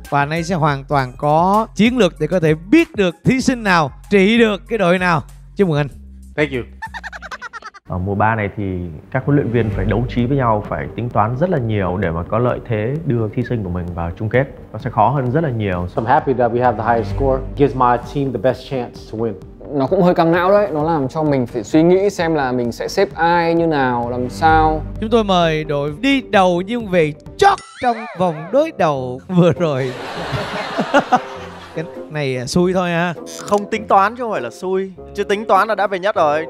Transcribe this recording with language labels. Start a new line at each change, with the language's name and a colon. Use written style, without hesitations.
Vietnamese: Và anh ấy sẽ hoàn toàn có chiến lược để có thể biết được thí sinh nào trị được cái đội nào. Chúc mừng anh.
English: Thank you.
Vietnamese: Ở mùa 3 này thì các huấn luyện viên phải đấu trí với nhau, phải tính toán rất là nhiều để mà có lợi thế đưa thí sinh của mình vào chung kết. Nó sẽ khó hơn rất là nhiều.
English: I'm happy that we have the highest score. Gives my team the best chance to win.
Vietnamese: nó cũng hơi căng não đấy. Nó làm cho mình phải suy nghĩ xem là mình sẽ xếp ai như nào, làm sao. Chúng tôi mời đội đi đầu nhưng về chót trong vòng đối đầu vừa rồi. Cái này xui thôi ha. Không tính toán chứ không phải là xui. Chứ tính toán là đã về nhất rồi.